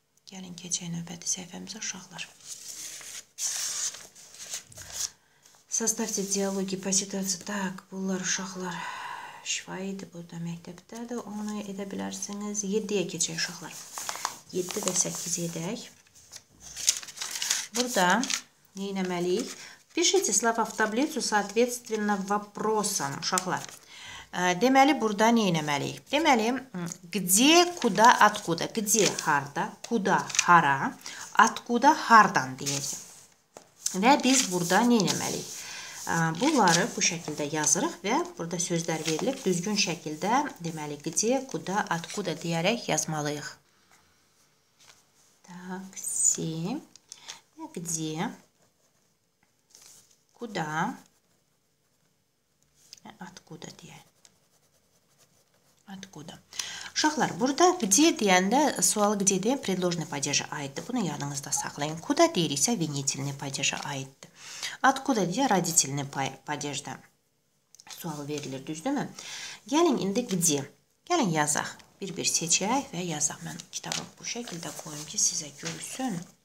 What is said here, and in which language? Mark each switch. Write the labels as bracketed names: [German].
[Azerbaijani] Gəlin keçək növbəti səhifəmizə uşaqlar. [Russian] Составьте диалоги по ситуации. [Azerbaijani] Так, bunlar uşaqlar. Şifaydı, burada məktəbdədir. Onu edə bilərsiniz. 7-yə keçək uşaqlar. 7 və 8 edək. Burada nə etməliyik? [Russian] Пишите слова в таблицу соответственно вопросам, [Azerbaijani] uşaqlar. Deməli, burada nə etməliyik? Deməli, [Russian] где, куда, откуда. [Azerbaijani] Где – harda, куда – hara, откуда – hardan deyəcək. Və biz burada nə etməliyik? Bunları bu şəkildə yazırıq və burada sözlər verilib düzgün şəkildə, deməli, где, куда, откуда deyərək yazmalıyıq. [Russian] Такси. Где? Куда? Откуда [Azerbaijani] deyək? [Russian] Откуда? [Azerbaijani] Uşaqlar, burada где deyəndə sual где deyən предложный падежə aiddir. Bunu yanınızda saxlayın. Куда deyiriksə винительный падежə aiddir. Откуда deyə родительный падежdə sual verilir, düzdürmü? Gəlin, indi где? Gəlin, yazaq. Bir-bir seçək və yazaq. Mən kitabı bu şəkildə qoyum ki, sizə görsün.